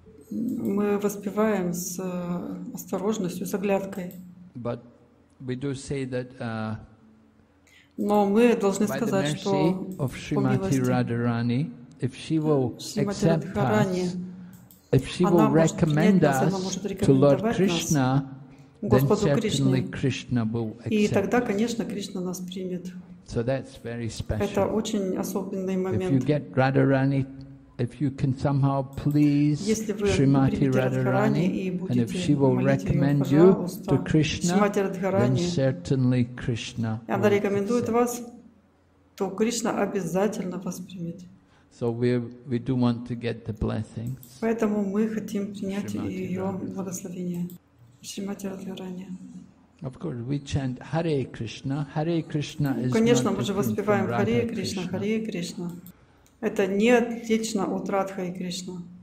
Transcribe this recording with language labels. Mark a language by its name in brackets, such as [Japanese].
[Russian] мы воспеваем с осторожностью, с оглядкой. [English] But we do say that, [Russian] но мы должны сказать, что по милости Шримати [English] Радхарани, if she will accept if she will recommend us to Lord Krishna, then certainly Krishna will accept. [Russian] И тогда, конечно, Кришна нас примет. [English] So that's very special. [Russian] Это очень особенный момент. [English] If you get Radharani, if you can somehow please Shrimati Radharani, and if she will recommend you to Krishna, then certainly Krishna. [Russian] Она рекомендует вас, то Кришна обязательно вас примет. [English] So we do want to get the blessings. [Russian] Поэтому мы хотим принять ее благословение. Шримати Радхарани. [English] Of course, we chant Hare Krishna. Hare Krishna is not. [Russian] Конечно, мы же воспеваем Hare Krishna, Hare Krishna. Это не отлично от Радхи Кришна.